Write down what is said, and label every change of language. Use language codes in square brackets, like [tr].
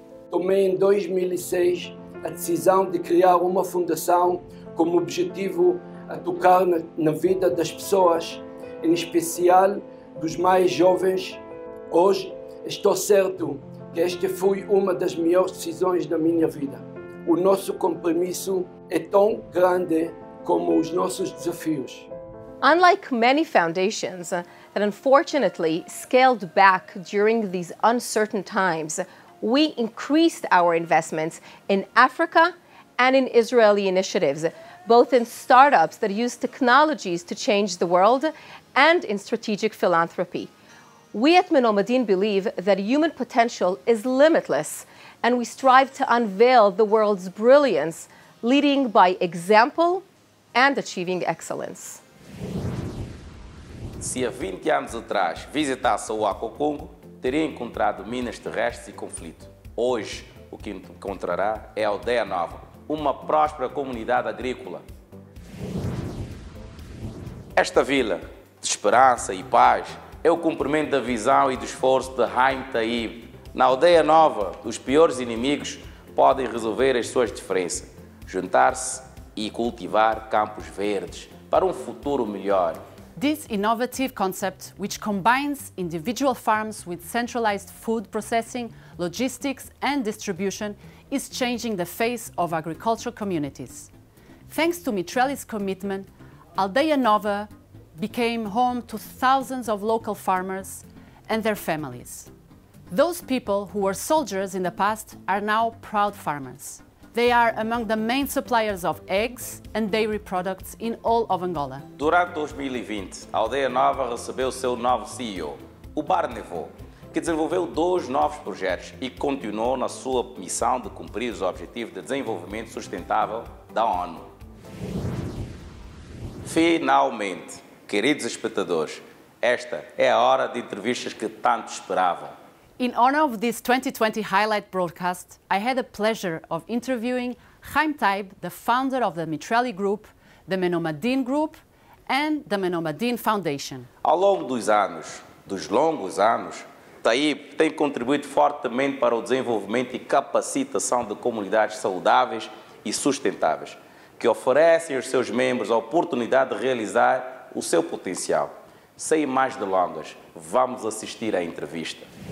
[pt] Tomei em 2006 a decisão de criar uma fundação com o objetivo a tocar na vida das pessoas, em especial dos mais jovens. Hoje, estou certo que esta foi uma das melhores decisões da minha vida. O nosso compromisso é tão grande como os nossos desafios. [en] Unlike many foundations that unfortunately scaled back during these uncertain times, we increased our investments in Africa and in Israeli initiatives, both in startups that use technologies to change the world and in strategic philanthropy. We at Menomadin believe that human potential is limitless, and we strive to unveil the world's brilliance, leading by example and achieving excellence. [pt] Se há 20 anos atrás visitasse o Aco Congo, teria encontrado minas terrestres e conflito. Hoje, o que encontrará é a Aldeia Nova, uma próspera comunidade agrícola. Esta vila de esperança e paz é o cumprimento da visão e do esforço de Haim Taib. Na Aldeia Nova, os piores inimigos podem resolver as suas diferenças, juntar-se e cultivar campos verdes para um futuro melhor. [en] This innovative concept, which combines individual farms with centralized food processing, logistics and distribution, is changing the face of agricultural communities. Thanks to Mitrelli's commitment, Aldeia Nova became home to thousands of local farmers and their families. Those people who were soldiers in the past are now proud farmers. They are among the main suppliers of eggs and dairy products in all of Angola. [pt] Durante 2020, a Aldeia Nova recebeu seu novo CEO, o Barnevo, que desenvolveu dois novos projetos e continuou na sua missão de cumprir os objetivos de desenvolvimento sustentável da ONU. Finalmente, queridos espectadores, esta é a hora de entrevistas que tanto esperavam. [en] In honor of this 2020 highlight broadcast, I had the pleasure of interviewing Haim Taib, the founder of the Mitrelli Group, the Menomadin Group, and the Menomadin Foundation. [pt] Ao longo dos longos anos, Taib tem contribuído fortemente para o desenvolvimento e capacitação de comunidades saudáveis e sustentáveis, que oferecem aos seus membros a oportunidade de realizar o seu potencial. Sem mais delongas, vamos assistir à entrevista.